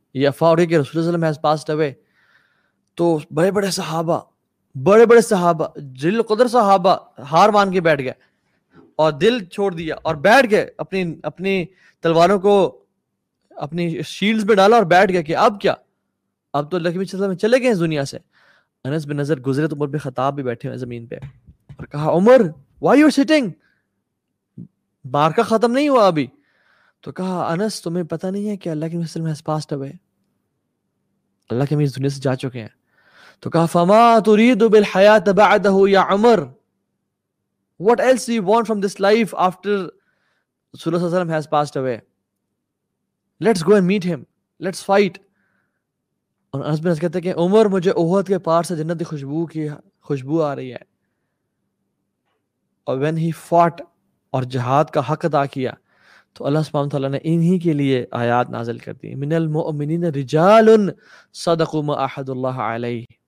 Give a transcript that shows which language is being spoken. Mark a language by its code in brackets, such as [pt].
[ur] یہ افواہ اڑی کہ رسول اللہ صلی اللہ علیہ وسلم [en] has passed away, [ur] تو بڑے بڑے صحابہ جل قدر صحابہ ہار مان کے بیٹھ گئے اور دل چھوڑ دیا اور بیٹھ گئے, اپنی تلواروں کو اپنی شیلڈز میں ڈالا اور بیٹھ گئے کہ اب کیا, اب تو اللہ کے نبی صلی اللہ علیہ وسلم چلے گئے اس دنیا سے. انس بن نظر گزرے تو عمر بن خطاب بھی بیٹھے ہوئے زمین پہ اور کہا عمر [en] why you sitting, [ur] بار کا ختم نہیں ہوا ابھی. تو کہا انس تمہیں پتہ نہیں ہے کہ اللہ کے نبی صلی اللہ علیہ وسلم [en] passed away, [ur] اللہ کے نبی اس دنیا سے جا چکے ہیں. [en] تو کہا [ar] فما تريد بالحیات بعده یا عمر, [en] what else do you want from this life after رسول اللہ صلی اللہ علیہ وسلم has passed away, let's go and meet him, let's fight. [ur] اور انس بن نظر کہتے کہ عمر مجھے احد کے پار سے جنت کی خوشبو آ رہی ہے. اور [en] when he fought [ur] اور جہاد کا حق ادا کیا تو اللہ سبحانہ وتعالیٰ نے انہی کے لیے آیات نازل کر دی, [ar] من المؤمنین رجال صدقوا ما عاهدوا الله علیہ.